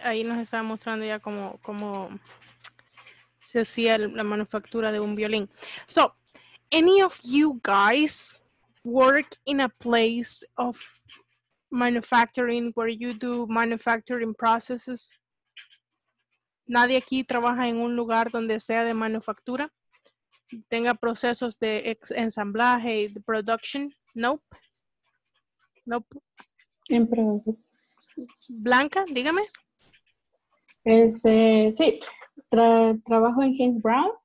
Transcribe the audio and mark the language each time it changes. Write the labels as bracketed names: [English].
[Spanish] Ahí nos estaba mostrando ya cómo se hacía la manufactura de un violín. [English] So, any of you guys work in a place of manufacturing where you do manufacturing processes? [Spanish] ¿Nadie aquí trabaja en un lugar donde sea de manufactura? Tenga procesos de ensamblaje, de production. [English] Nope. [Spanish] En producción. Blanca, dígame. Sí, trabajo en James Brown.